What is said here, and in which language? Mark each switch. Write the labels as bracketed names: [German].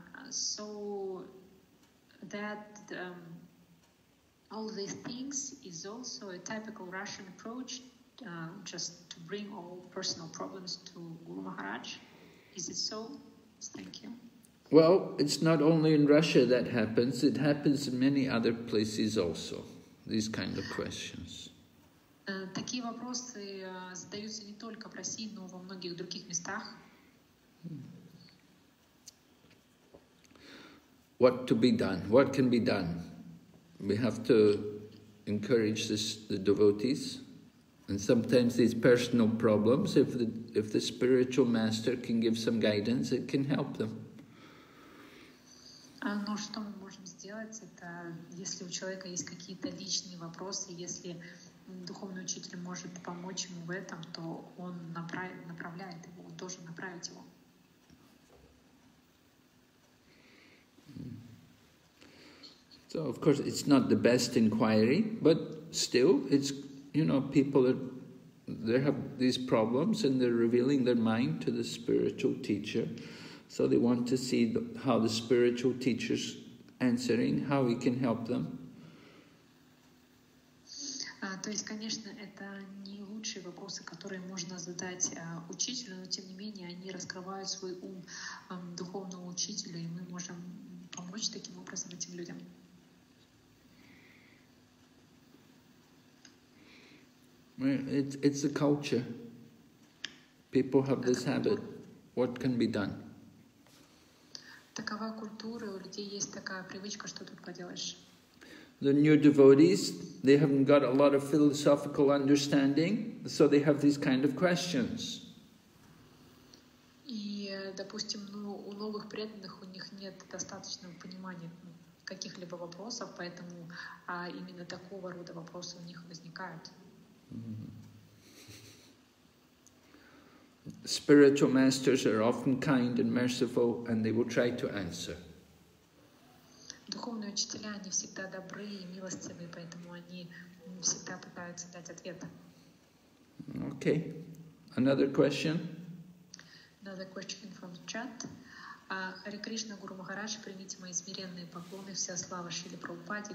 [English] So that all these things is also a typical Russian approach, just to bring all personal problems to Guru Maharaj. Is it so? Thank you. Well, it's not only in Russia that happens. It happens in many other places also, these kind of questions. [Russian] Такие вопросы задаются не только в России, но во многих других местах. [English] What to be done? What can be done? We have to encourage this, the devotees. And sometimes these personal problems, if the spiritual master can give some guidance, it can help them. [Russian] Но что мы можем сделать, это если у человека есть какие-то личные вопросы, если духовный учитель может помочь ему в этом, то он направляет его, он должен направить его. [English] So, of course, it's not the best inquiry, but still, it's, you know, people are, they have these problems and they're revealing their mind to the spiritual teacher. So they want to see how the spiritual teacher's answering, how he can help them. [Russian] То есть, конечно, это не лучшие вопросы, которые можно задать учителю, но тем не менее они раскрывают свой ум духовному учителю, и мы можем помочь таким образом этим людям. [English] It's a culture. People have this habit. What can be done? [Russian] Такова культура, у людей есть такая привычка, что тут поделаешь. [English] The new devotees, they haven't got a lot of philosophical understanding, so they have these kind of questions. [Russian] И, допустим, ну, у новых преданных у них нет достаточного понимания каких-либо вопросов, поэтому именно такого рода вопросы у них возникают. [English] Spiritual masters are often kind and merciful, and they will try to answer. [Russian] Духовные учителя, они всегда добры и милостивы, поэтому они всегда пытаются дать ответ. [English] Okay. Another question? Another question from the chat. Hare Krishna, Guru Maharaj, [Russian] примите мои смиренные поклоны, вся слава Шриле Прабхупаде.